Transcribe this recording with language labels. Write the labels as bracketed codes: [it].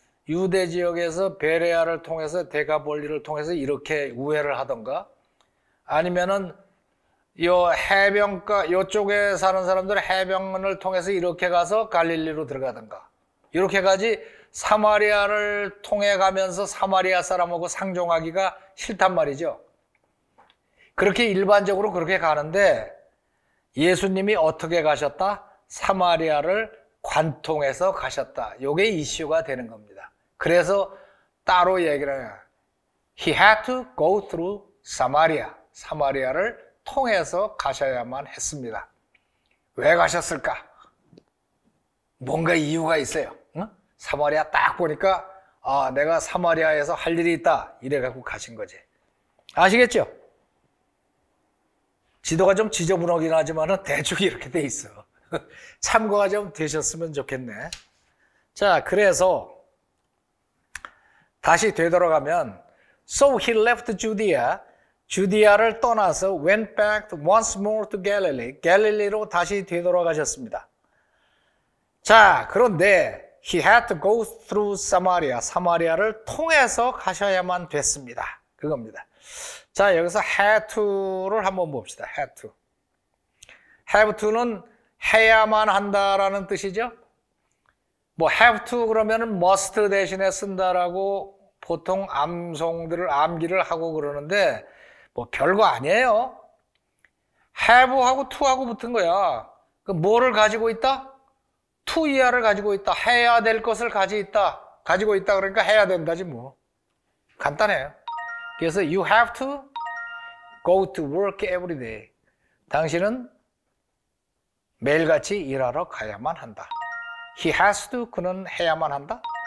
[ko] 유대 지역에서 베레아를 통해서 데가볼리를 통해서 이렇게 우회를 하던가, 아니면은 요 해변가 요쪽에 사는 사람들 해변을 통해서 이렇게 가서 갈릴리로 들어가던가, 이렇게 가지 사마리아를 통해 가면서 사마리아 사람하고 상종하기가 싫단 말이죠. 그렇게 일반적으로 그렇게 가는데, 예수님이 어떻게 가셨다? 사마리아를 관통해서 가셨다. 요게 이슈가 되는 겁니다. 그래서 따로 얘기를 해요. [en] He had to go through Samaria. [ko] 사마리아를 통해서 가셔야만 했습니다. 왜 가셨을까? 뭔가 이유가 있어요. 응? 사마리아 딱 보니까, 아, 내가 사마리아에서 할 일이 있다. 이래갖고 가신 거지. 아시겠죠? 지도가 좀 지저분하긴 하지만은 대충 이렇게 돼 있어. 참고가 좀 되셨으면 좋겠네. 자, 그래서 다시 되돌아가면, [en] So he left Judea. [ko] 주디아를 떠나서 [en] went back once more to Galilee. [ko] 갈릴리로 다시 되돌아가셨습니다. 자, 그런데 [en] he had to go through Samaria. [ko] 사마리아를 통해서 가셔야만 됐습니다. 그겁니다. 자, 여기서 had to를 한번 봅시다. [en] had to. [ko] have to는 해야만 한다라는 뜻이죠. 뭐 have to 그러면은 must 대신에 쓴다라고 보통 암송들을 암기를 하고 그러는데 뭐 별거 아니에요. have하고 to하고 붙은 거야. 그 뭐를 가지고 있다? to 이하를 가지고 있다. 해야 될 것을 가지고 있다. 그러니까 해야 된다지 뭐. 간단해요. 그래서 [en] you have to go to work every day. [ko] 당신은 매일같이 일하러 가야만 한다. [en] He has to, [ko] 그는 해야만 한다.